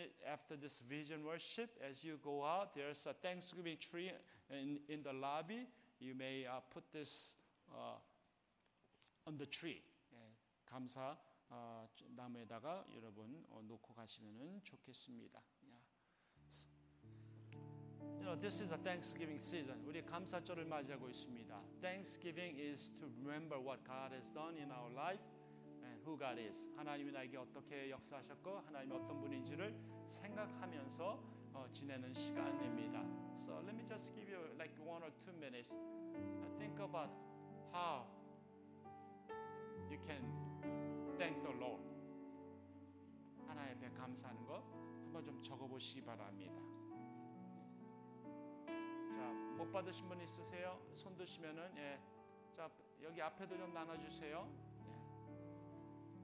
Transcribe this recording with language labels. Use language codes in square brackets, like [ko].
[en] After this vision worship, as you go out, there's a Thanksgiving tree in the lobby. You may put this on the tree. [ko] 예, 감사 나무에다가 여러분 놓고 가시면은 좋겠습니다. [en] You know, this is a Thanksgiving season. [ko] 우리 감사절을 맞이하고 있습니다. [en] Thanksgiving is to remember what God has done in our life and who God is. [ko] 하나님이 나에게 어떻게 역사하셨고 하나님이 어떤 분인지를 생각하면서 지내는 시간입니다. [en] So let me just give you like one or two minutes. Think about how you can thank the Lord. [ko] 하나님 앞에 감사하는 거 한번 좀 적어보시기 바랍니다. 자, 못 받으신 분 있으세요? 손 드시면은 예. 자, 여기 앞에도 좀 나눠 주세요. 예.